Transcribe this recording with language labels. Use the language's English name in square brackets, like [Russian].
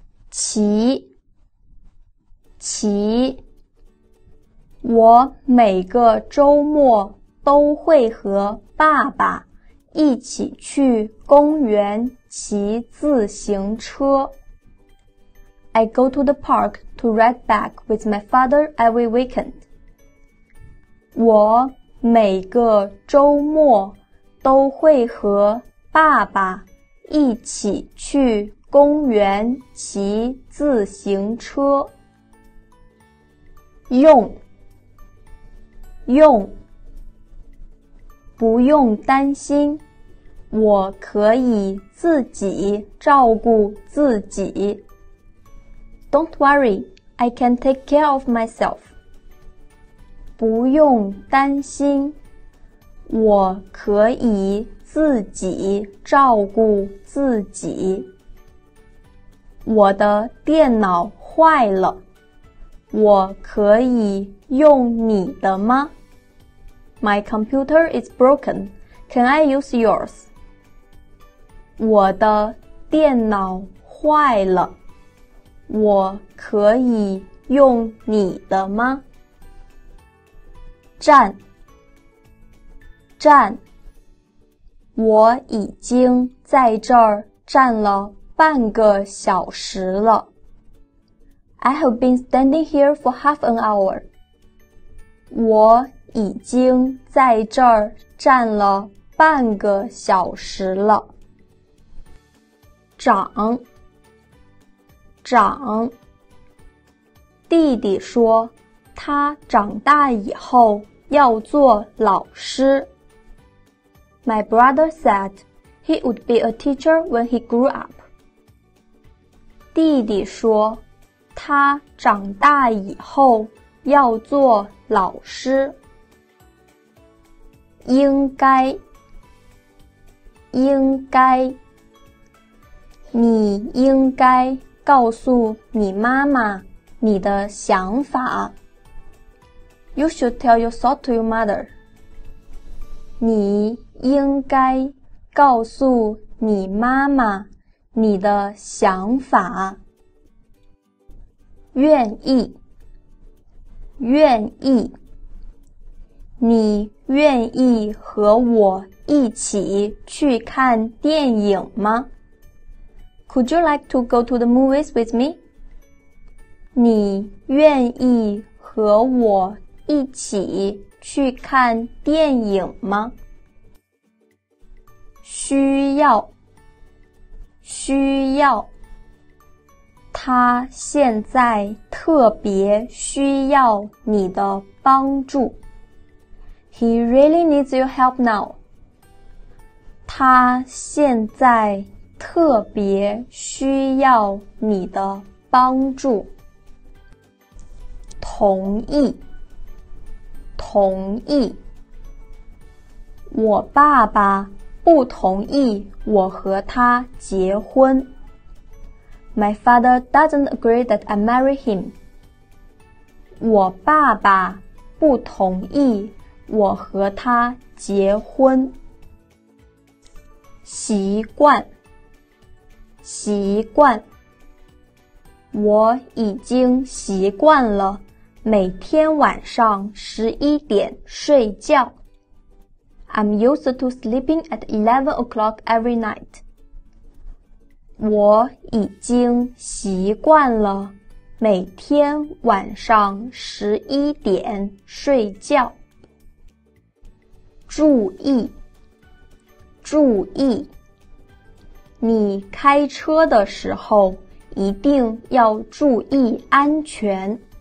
[Chinese] 骑，骑。我每个周末都会和爸爸一起去公园骑自行车。 [English] I go to the park to ride bike with my father every weekend. [Chinese] 我每个周末都会和爸爸一起去公园骑自行车。用，用。不用担心，我可以自己照顾自己。 [English] Don't worry, I can take care of myself. [Chinese] 不用担心，我可以自己照顾自己。我的电脑坏了，我可以用你的吗？ [English] My computer is broken. Can I use yours? [Chinese] 我的电脑坏了，我可以用你的吗？站，站。我已经在这儿站了半个小时了。 [English] I have been standing here for half an hour. [Chinese] 我已经在这儿站了半个小时了。长，长。弟弟说他长大以后要做老师。 [English] My brother said he would be a teacher when he grew up. [Chinese] 弟弟说他长大以后要做老师。应该，应该。你应该告诉你妈妈你的想法。 [English] You should tell your thought to your mother. [Chinese] 你应该告诉你妈妈你的想法。愿意，愿意。你愿意和我一起去看电影吗？ [English] Could you like to go to the movies with me? [Chinese] 你愿意和我一起去看电影吗？需要，需要。他现在特别需要你的帮助。 [English] He really needs your help now. [Chinese] 他现在特别需要你的帮助。同意，同意。我爸爸不同意我和他结婚。 [English] My father doesn't agree that I marry him. [Chinese] 我爸爸不同意我和他结婚。习惯，习惯。我已经习惯了每天晚上11点睡觉。 [English] I'm used to sleeping at 11 o'clock every night. [Chinese] 我已经习惯了每天晚上11点睡觉。注意，注意。你开车的时候一定要注意安全。